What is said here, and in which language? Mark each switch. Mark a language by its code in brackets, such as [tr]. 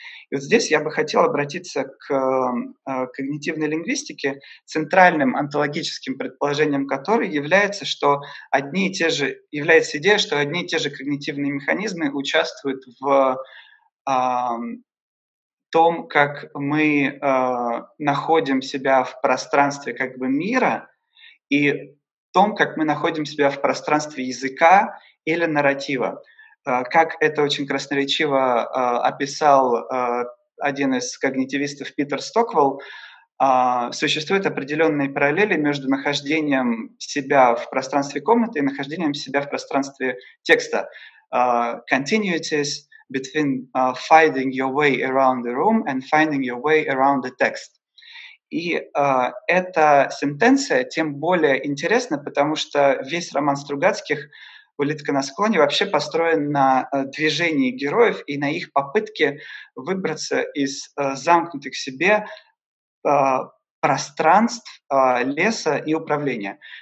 [ru] И вот здесь я бы хотел обратиться к когнитивной лингвистике, центральным онтологическим предположением которой является, что одни и те же, является идея, что одни и те же когнитивные механизмы участвуют в том, как мы находим себя в пространстве как бы мира и том, как мы находим себя в пространстве языка или нарратива. Как это очень красноречиво описал один из когнитивистов Питер Стоквелл, существуют определенные параллели между нахождением себя в пространстве комнаты и нахождением себя в пространстве текста. [en] Continuities between finding your way around the room and finding your way around the text. [ru] И эта сентенция тем более интересна, потому что весь роман Стругацких «Улитка на склоне» вообще построен на движении героев и на их попытке выбраться из замкнутых в себе пространств, леса и управления.